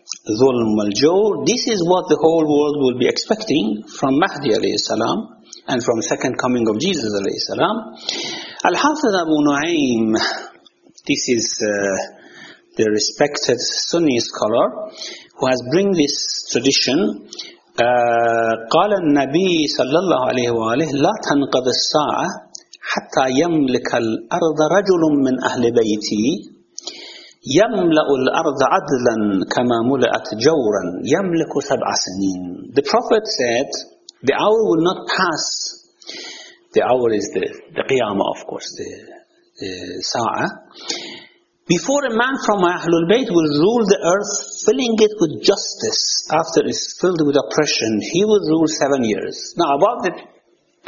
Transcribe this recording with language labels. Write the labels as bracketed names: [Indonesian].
[English] Zulm al-Jawr. This is what the whole world will be expecting from Mahdi alayhi salam and from second coming of Jesus alayhi salam. Al-Hafiz Abu Nu'aym, this is the respected Sunni scholar who has bring this tradition. [Arabic] قال النبي صلى الله عليه وآله لا تنقض الساعة حتى يملك الأرض رجل من أهل بيتي يَمْلَأُ الْأَرْضَ عَدْلًا كَمَا مُلَأَتْ جَوْرًا يَمْلَكُ سَبْعَ سَنِينَ. [English] The Prophet said, the hour will not pass. The hour is the Qiyamah, of course, the Sa'a. Before a man from Ahlul Bayt will rule the earth, filling it with justice after it is filled with oppression, he will rule 7 years. Now, about the